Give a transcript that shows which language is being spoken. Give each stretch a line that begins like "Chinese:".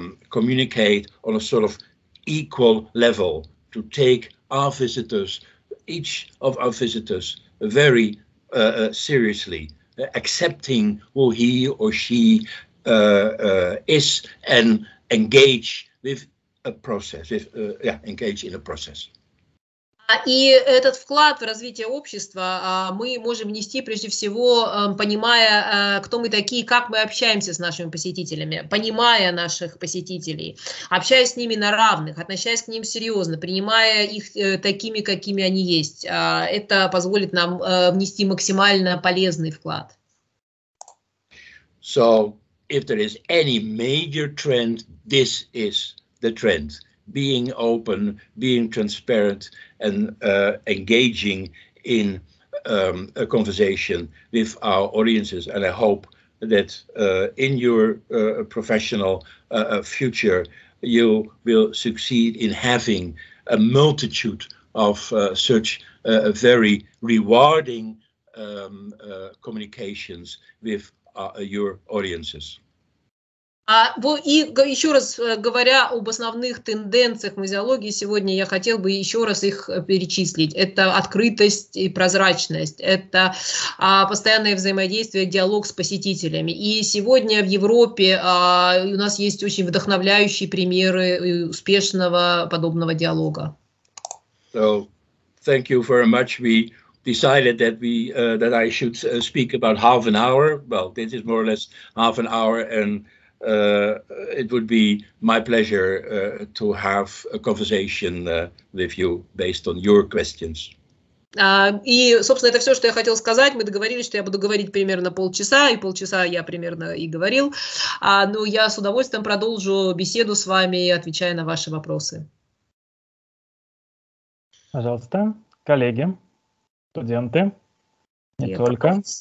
English: communicate on a sort of equal level, to take our visitors, each of our visitors, very seriously, accepting who he or she is, and engage with a process, engage in a process.
Russian: И этот вклад в развитие общества мы можем внести, прежде всего, понимая, кто мы такие, как мы общаемся с нашими посетителями, понимая наших посетителей, общаясь с ними на равных, относясь к ним серьезно, принимая их такими, какими они есть. Это позволит нам внести максимально полезный вклад.
English: So, if there is any major trend, this is the trend: being open, being transparent, and engaging in a conversation with our audiences. And I hope that in your professional future, you will succeed in having a multitude of such very rewarding communications with your audiences.
Russian: И еще раз говоря об основных тенденциях музеологии сегодня, я хотел бы еще раз их перечислить. Это открытость и прозрачность, это постоянное взаимодействие, диалог с посетителями. И сегодня в Европе у нас есть очень вдохновляющие примеры успешного подобного диалога.
English: So, thank you very much. We decided that we that I should speak about half an hour. Well, this is more or less half an hour, and it would be my pleasure to have a conversation with you based on your questions.
Russian: И, собственно, это все, что я хотел сказать. Мы договорились, что я буду говорить примерно полчаса, и полчаса я примерно и говорил. Но я с удовольствием продолжу беседу с вами, отвечая на ваши вопросы. Пожалуйста, коллеги, студенты, не только.